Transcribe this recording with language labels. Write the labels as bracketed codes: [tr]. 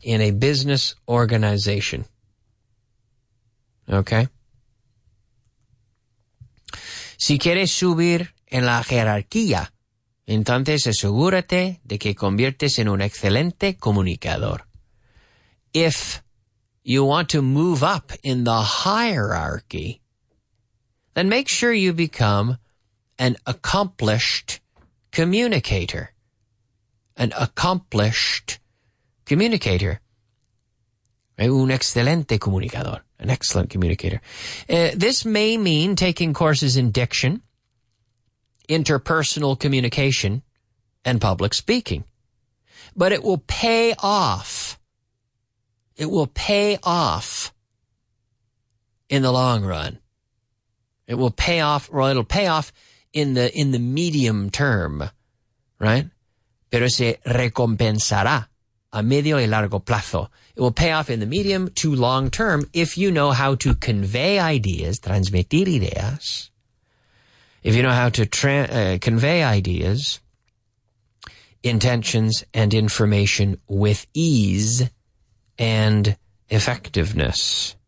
[en] In a business organization. Okay? [es] Si quieres subir en la jerarquía, entonces asegúrate de que conviertes en un excelente comunicador. [en] If you want to move up in the hierarchy, then make sure you become an accomplished communicator. An accomplished communicator. [es] Un excelente comunicador. [en] An excellent communicator. This may mean taking courses in diction, interpersonal communication, and public speaking. But it will pay off. It will pay off in the long run. It will pay off, well, it'll pay off in the medium term, right? [es] Pero se recompensará a medio y largo plazo. [en] It will pay off in the medium to long term if you know how to convey ideas, [es] transmitir ideas. [en] If you know how to convey ideas, intentions, and information with ease and effectiveness.